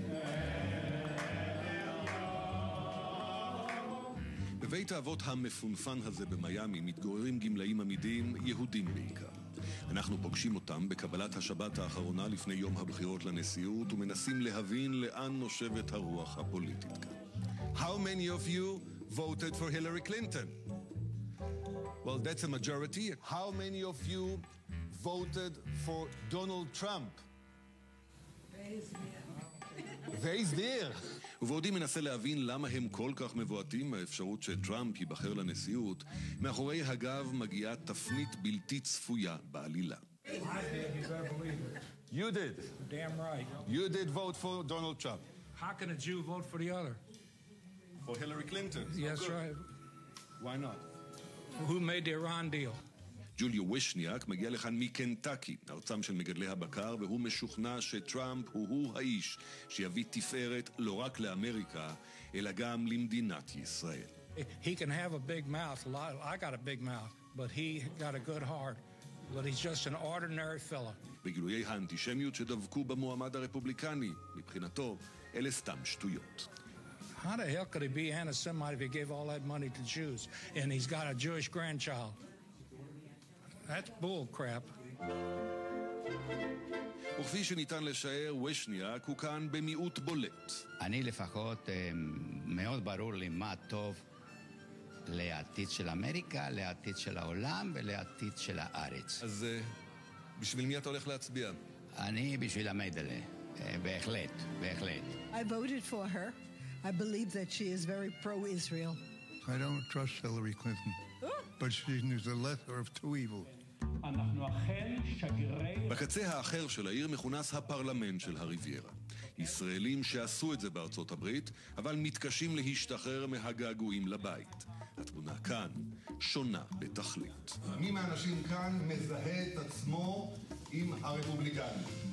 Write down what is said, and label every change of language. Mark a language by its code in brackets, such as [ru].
[he] נלו. בבית האבות המפונפן הזה במיאמי מתגוררים גמלאים עמידים, יהודים בעיקר. אנחנו פוגשים אותם בקבלת השבת האחרונה לפני יום הבחירות לנשיאות ומנסים להבין לאן נושבת הרוח הפוליטית כאן. [en] How many of you voted for Hillary Clinton? Well, that's a majority. How many of you voted for Donald Trump? Vazdir. [he] ועודי מנסה להבין למה הם כל כך מבועתים מהאפשרות שטראמפ ייבחר לנשיאות, מאחורי הגב מגיעה תפנית בלתי צפויה בעלילה. [en] You did. Damn right. You did vote for Donald Trump. How can a Jew vote for the other? For Hillary Clinton. Yes, right. Why not? Who made the Iran deal? [he] ג'וליו וישניאק מגיע לכאן מקנטקי, ארצם של מגדלי הבקר, והוא משוכנע שטראמפ הוא האיש שיביא תפארת לא רק לאמריקה, אלא גם למדינת ישראל. [en] He can have a big mouth. I got a big mouth, but he got a good heart. But he's just an ordinary fella. [he] בגילויי האנטישמיות שדבקו במועמד הרפובליקני, מבחינתו, אלה סתם שטויות. [en] How the hell could he be anti-Semite if he gave all that money to Jews and he's got a Jewish grandchild? That's bull crap. [he] וכפי שניתן לשער, וישניאק הוא כאן במיעוט בולט. אני לפחות מאוד ברור לי מה טוב לעתיד של אמריקה, לעתיד של העולם ולעתיד של הארץ. אז בשביל מי אתה הולך להצביע? אני בשביל המדלה, בהחלט, בהחלט. [en] I voted for her. I believe that she is very pro-Israel. I don't trust Hillary Clinton. But she is the lesser of two evils. [he] בקצה האחר של העיר מכונס הפרלמנט של הריביירה. ישראלים שעשו את זה בארצות הברית, אבל מתקשים להשתחרר מהגעגועים לבית. התמונה כאן שונה בתכלית. מי מהאנשים כאן מזהה את עצמו עם הרפובליקנים?